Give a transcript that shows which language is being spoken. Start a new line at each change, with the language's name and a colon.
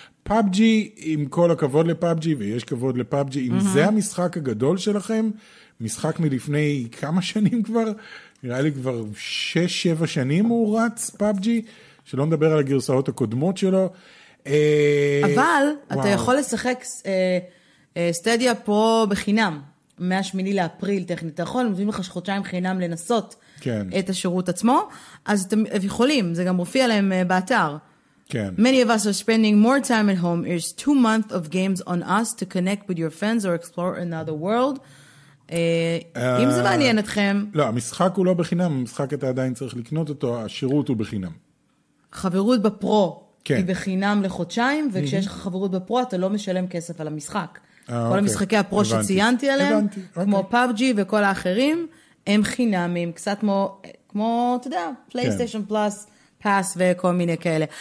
Hebrew: פאבג'י, עם כל הכבוד לפאבג'י, ויש כבוד לפאבג'י, אם זה המשחק הגדול שלכם, משחק מלפני כמה שנים כבר, נראה לי כבר 6-7 שנים הוא רץ פאבג'י, שלא נדבר על הגרסאות הקודמות שלו. אבל אתה יכול לשחק סטדיה פרו בחינם, מהשמיני לאפריל טכנית, אתה יכול, מביאים לך חודשיים חינם לנסות, כן. את השירות עצמו, אז אתם יכולים, זה גם מופיע להם באתר. כן.
English: Many of us are spending more time at home. It's 2 months of games on us to connect with your friends or explore another world.
Hebrew: אם זה מעניין אתכם. לא, המשחק הוא לא בחינם, המשחק אתה עדיין צריך לקנות אותו, השירות הוא בחינם. חברות בפרו, כן. היא בחינם לחודשיים, וכשיש לך חברות בפרו, אתה לא משלם כסף על המשחק. כל המשחקי הפרו שציינתי עליהם, כמו PUBG וכל האחרים, הם חינמים, קצת כמו, אתה יודע, פלייסטיישן פלאס, פאס וכל מיני כאלה.